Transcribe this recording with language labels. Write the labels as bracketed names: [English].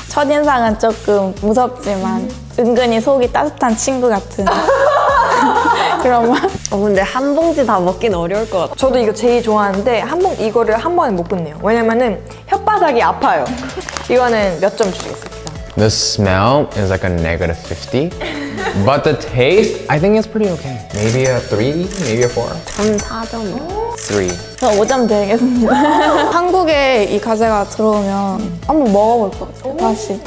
[Korean] 첫인상은 조금 무섭지만 은근히 속이 따뜻한 친구 같은 그런 맛. 어, 근데 한 봉지 다 먹긴 어려울 것 같아요. 저도 이거 제일 좋아하는데 이거를 한 번에 못 끊네요. 왜냐면은 혓바닥이 아파요. 이거는 몇 점 주시겠습니까? [English] The smell is like a negative 50. But the taste, I think it's pretty okay. Maybe a 3, maybe a 4. [Korean] 저는 4점. 3. 저 5점 드리겠습니다. 한국에 이 과자가 들어오면 한번 먹어볼 것 같아요, 다시.